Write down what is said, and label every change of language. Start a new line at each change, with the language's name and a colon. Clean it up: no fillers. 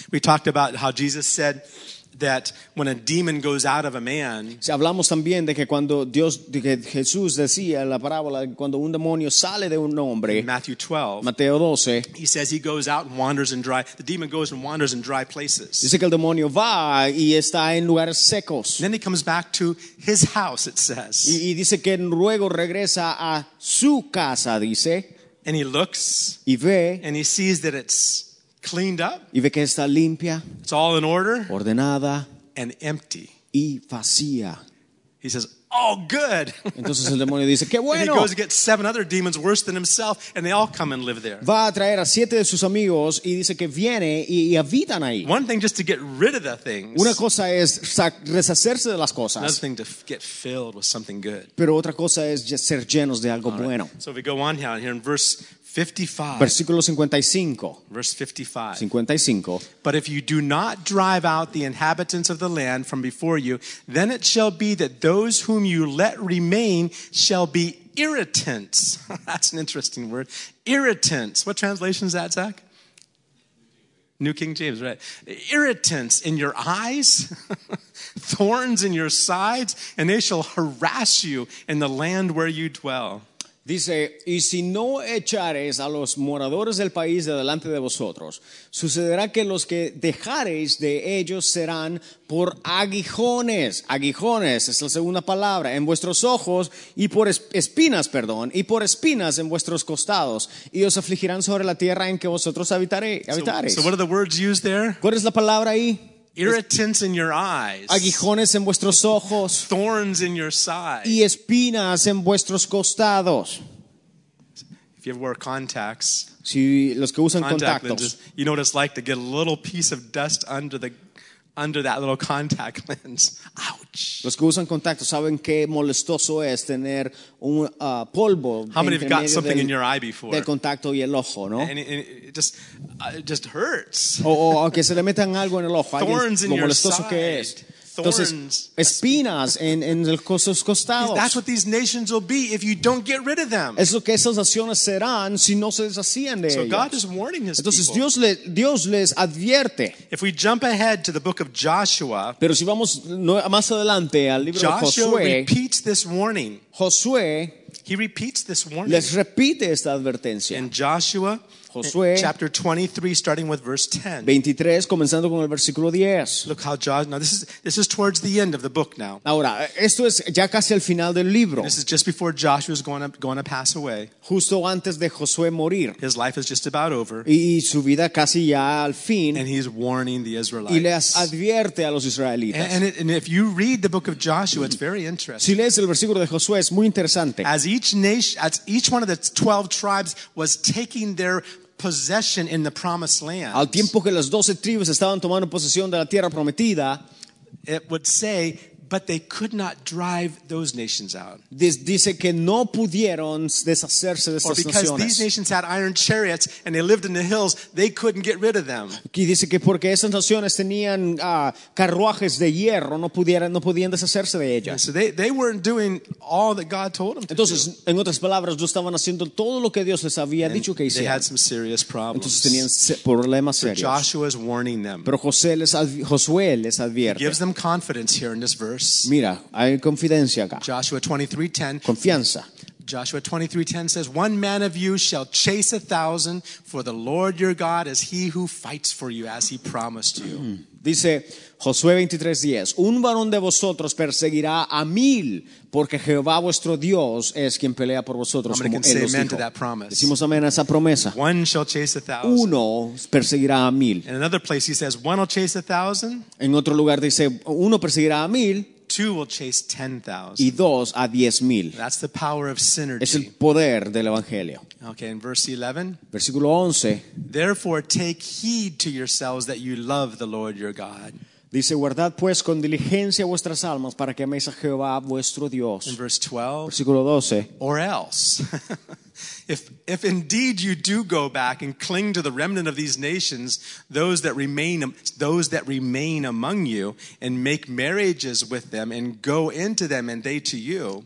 English: We talked about how Jesus said that when a demon goes out of a man,
Spanish: si hablamos también de que cuando Dios, de que Jesús decía en la parábola cuando un demonio sale de un hombre,
English: Matthew 12,
Spanish: Mateo 12,
English: he says he goes out and wanders in dry. The demon goes and wanders in dry places.
Spanish: Dice que el demonio va y está en lugares secos.
English: Then he comes back to his house. It says.
Spanish: Y dice que luego regresa a su casa. Dice.
English: And he looks.
Spanish: Y ve.
English: And he sees that it's cleaned up.
Spanish: Y ve que está limpia.
English: It's all in order.
Spanish: Ordenada.
English: And empty.
Spanish: Y vacía.
English: He says, "Oh, good."
Spanish: Entonces el demonio dice, "Qué bueno."
English: And he goes to get seven other demons worse than himself, and they all come and live there.
Spanish: Va a traer a siete de sus amigos y dice que viene y habitan ahí.
English: One thing just to get rid of the things.
Spanish: Una cosa es deshacerse de las cosas.
English: Another thing to get filled with something good.
Spanish: Pero otra cosa es ser llenos de algo bueno.
English: So we go on here in verse 55.
Spanish: Versículo 55.
English: Verse 55. 55. "But if you do not drive out the inhabitants of the land from before you, then it shall be that those whom you let remain shall be irritants." That's an interesting word. Irritants. What translation is that, Zach? New King James, right. "Irritants in your eyes, thorns in your sides, and they shall harass you in the land where you dwell."
Spanish: Dice, "Y si no echares a los moradores del país de delante de vosotros, sucederá que los que dejareis de ellos serán por aguijones." Aguijones es la segunda palabra. "En vuestros ojos y por espinas en vuestros costados. Y os afligirán sobre la tierra en que vosotros habitareis.
English: So what are the words used there?
Spanish: ¿Cuál es la palabra ahí?
English: Irritants in your eyes.
Spanish: Aguijones en vuestros ojos.
English: Thorns in your sides.
Spanish: Y espinas en vuestros costados.
English: If you ever wear contacts,
Spanish: si los que usan contactos,
English: you know what it's like to get a little piece of dust under that little contact lens. Ouch.
Spanish: Los que usan contactos saben qué molestoso es tener un polvo.
English: How many have got something in your eye before?
Spanish: Del contacto y el ojo, ¿no?
English: And it just hurts.
Spanish: O que se le metan algo en el ojo.
English: Thorns in your side.
Spanish: Que es. Entonces, espinas en los costados.
English: That's what these nations will be if you don't get rid of them.
Spanish: Es lo que esas naciones serán si no se deshacían de ellos.
English: So God is warning his
Spanish: Entonces,
English: people.
Spanish: Entonces Dios les advierte.
English: If we jump ahead to the book of Joshua.
Spanish: Pero si vamos más adelante al libro
English: Joshua
Spanish: de Josué.
English: Joshua repeats this warning.
Spanish: Josué.
English: He repeats this warning.
Spanish: Les repite esta advertencia.
English: In Joshua.
Spanish: Josué,
English: chapter 23, starting with verse 10.
Spanish: 23, comenzando con el versículo 10.
English: Look how Joshua. Now this is towards the end of the book now.
Spanish: Ahora, esto es ya casi el final del libro.
English: This is just before Joshua is going to pass away.
Spanish: Justo antes de Josué morir.
English: His life is just about over.
Spanish: Y su vida casi ya al fin.
English: And he's warning the Israelites.
Spanish: Y les advierte a los israelitas.
English: And if you read the book of Joshua, it's very interesting.
Spanish: Si lees el versículo de Josué, es muy interesante.
English: As each one of the 12 tribes was taking their possession in the promised land.
Spanish: Al tiempo que las 12 tribus estaban tomando posesión de la tierra prometida,
English: it would say, but they could not drive those nations out.
Spanish: Dice que no pudieron deshacerse de esas naciones.
English: Or because
Spanish: naciones.
English: These nations had iron chariots and they lived in the hills, they couldn't get rid of them.
Spanish: Y dice que porque esas naciones tenían carruajes de hierro, no podían deshacerse de ellas.
English: So they weren't doing all that God told them to
Spanish: Entonces,
English: do.
Spanish: Entonces, en otras palabras, no estaban haciendo todo lo que Dios les había
English: and
Spanish: dicho que hicieran.
English: They had some serious problems.
Spanish: Entonces tenían problemas
English: so
Spanish: serios.
English: Joshua is warning them.
Spanish: Pero Josué les advierte.
English: He gives them confidence here in this verse.
Spanish: Mira, hay confidencia acá.
English: Joshua 23:10.
Spanish: Confianza.
English: Joshua 23:10 says, "One man of you shall chase a thousand, for the Lord your God is he who fights for you as he promised you."
Spanish: Dice Josué 23:10, "Un varón de vosotros perseguirá a mil, porque Jehová vuestro Dios es quien pelea por vosotros como él os dijo."
English: Somebody can say amen to that promise.
Spanish: Decimos amén a esa promesa.
English: One shall chase a thousand.
Spanish: Uno perseguirá a mil.
English: In another place he says, "One will chase a thousand."
Spanish: En otro lugar dice, uno perseguirá a mil.
English: Two will chase 10,000.
Spanish: Y dos a 10,000.
English: That's the power of synergy.
Spanish: Es el poder del evangelio.
English: Okay, in verse 11.
Spanish: Versículo 11.
English: "Therefore take heed to yourselves that you love the Lord your God."
Spanish: Dice, guardad pues con diligencia vuestras almas para que améis a Jehová vuestro Dios.
English: In verse 12.
Spanish: Versículo 12.
English: "Or else, if indeed you do go back and cling to the remnant of these nations, those that remain among you, and make marriages with them, and go into them, and they to you."